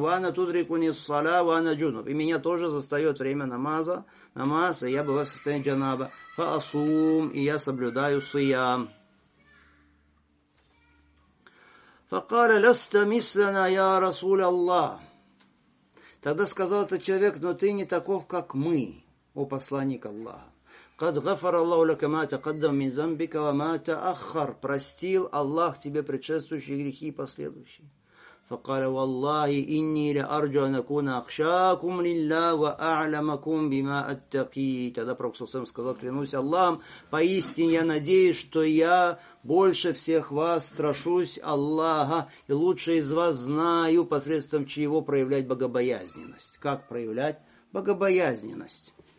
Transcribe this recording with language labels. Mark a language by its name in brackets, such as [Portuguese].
[Arabic] Вана тудрикуни ссаля, вана джунуб. [Russian] И меня тоже застает время намаза, намаз, и я бываю в состоянии джанаба. [Arabic] Фаасум, [Russian] и я соблюдаю сиям. [Arabic] Факаля ласта мислана я Расулуллах. [Russian] Тогда сказал этот человек, но ты не таков, как мы, о посланник Аллаха. [Arabic] قد غفر الله لك ما تقدم من ذنبك وما تأخر. [Russian] Простил Аллах тебе предшествующие грехи и последующие. [Arabic] فقال والله إني لأرجو أن أكون أخشاكم لله وأعلمكم بما أتقي. [Russian] Тогда пророк саллаллаху алейхи ва саллям сказал, клянусь Аллахом, поистине я надеюсь, что я больше всех вас страшусь Аллаха и лучше из вас знаю, посредством чего проявлять богобоязненность. Как проявлять богобоязненность?